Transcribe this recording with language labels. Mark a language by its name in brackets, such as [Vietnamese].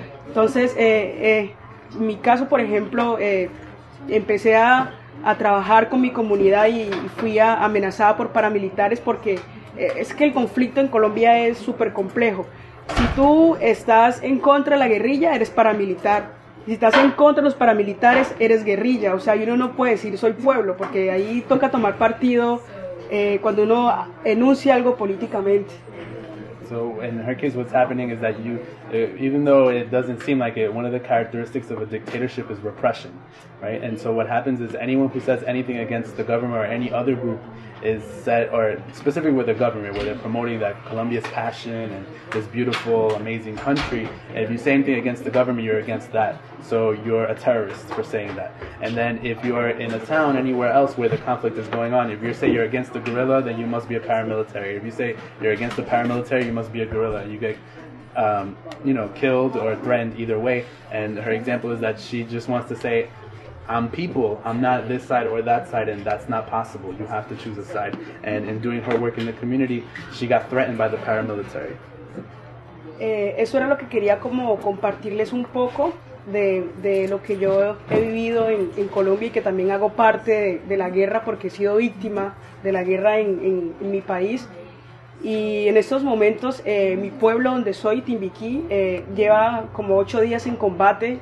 [Spanish] Entonces, mi caso, por ejemplo, empecé a trabajar con mi comunidad y fui amenazada por paramilitares, porque es que el conflicto en Colombia es súper complejo. Si tú estás en contra de la guerrilla, eres paramilitar. Si estás en contra de los paramilitares, eres guerrilla. O sea, uno no puede decir soy pueblo, porque ahí toca tomar partido cuando uno enuncia algo políticamente. [English] So in her case, what's happening is that you, even though it doesn't seem like it, one of the characteristics of a dictatorship is repression, right? And so what happens is anyone who says anything against the government or any other group is said, or specifically with the government, where they're promoting that Colombia's passion and this beautiful, amazing country, and if you say anything against the government, you're against that. So you're a terrorist for saying that. And then if you're in a town anywhere else where the conflict is going on, if you say you're against the guerrilla, then you must be a paramilitary. If you say you're against the paramilitary, you must be a guerrilla. You get, you know, killed or threatened either way. And her example is that she just wants to say, I'm people, I'm not this side or that side, and that's not possible. You have to choose a side. And in doing her work in the community, she got threatened by the paramilitary. [Spanish] Eso era lo que quería como compartirles un poco de lo que yo he vivido en Colombia, y que también hago parte de la guerra, porque he sido víctima de la guerra en mi país. Y en estos momentos, mi pueblo donde soy, Timbiquí, lleva como 8 días en combate.